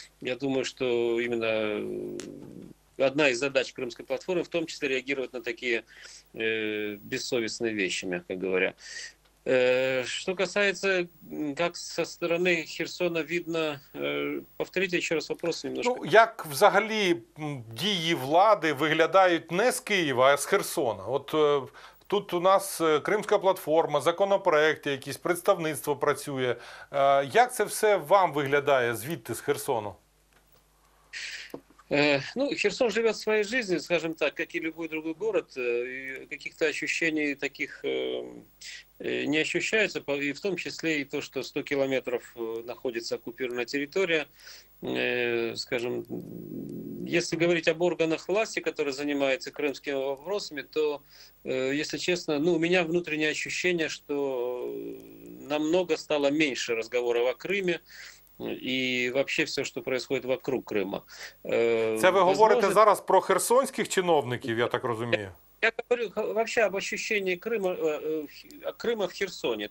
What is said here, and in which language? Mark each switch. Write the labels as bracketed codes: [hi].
[ru] Я думаю, что именно одна из задач Крымской платформы, в том числе, реагировать на такие бессовестные вещи, мягко говоря. Что касается, как со стороны Херсона видно, повторите еще раз вопрос немножко. [uk] Ну, як взагалі дії влади виглядають не з Києва, а з Херсона? От тут у нас Кримська платформа, законопроекти, якісь представництво працює. Як це все вам виглядає звідти, з Херсону? [ru] Ну, Херсон живет своей жизнью, скажем так, как и любой другой город, каких-то ощущений таких не ощущается, и в том числе и то, что 100 километров находится оккупированная территория, скажем, если говорить об органах власти, которые занимаются крымскими вопросами, то, если честно, ну, у меня внутреннее ощущение, что намного стало меньше разговоров о Крыме, [uk] і взагалі все, що відбувається [ru] вокруг Криму. [uk] Це ви говорите зараз про херсонських чиновників, я так розумію? Я говорю взагалі об відчуванні Криму в Херсоні.